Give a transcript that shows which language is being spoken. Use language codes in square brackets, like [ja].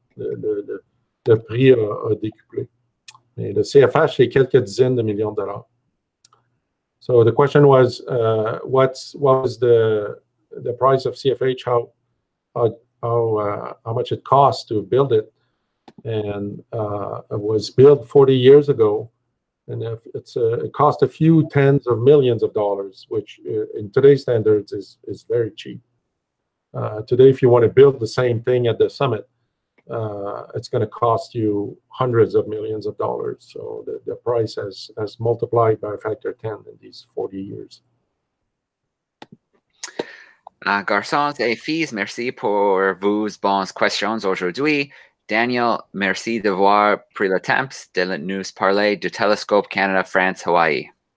[fr] Le prix a décuplé. Mais le CFH, c'est quelques dizaines de millions de dollars. [en] So the question was, what was the price of CFH? How much it cost to build it? And it was built 40 years ago. And it cost a few tens of millions of dollars, which in today's standards is very cheap. Today, if you want to build the same thing at the summit, it's going to cost you hundreds of millions of dollars. So the price has multiplied by a factor of 10 in these 40 years. [fr] Garçons et filles, merci pour vos bonnes questions aujourd'hui. Daniel, merci d'avoir pris le temps de nous parler du Télescope Canada-France-Hawaii.